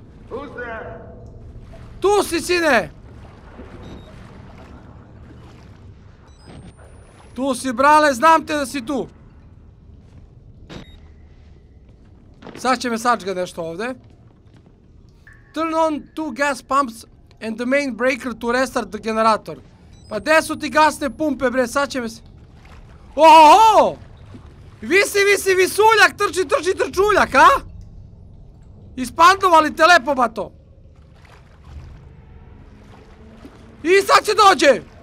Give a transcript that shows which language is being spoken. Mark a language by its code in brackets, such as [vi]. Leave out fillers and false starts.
[en] Who's there? [sr] Tu si, sine! Tu si, brale, znam te da si tu! Sad će me sačga nešto ovde. [en] Turn on two gas pumps and the main breaker to restart the generator. [sr] Pa gde su ti gasne pumpe, bre, sad će me se... Oho! Visi, visi, visuljak, trči, trči, trčuljak, a? Ispandovali te lepo, bato! I sad će dođe!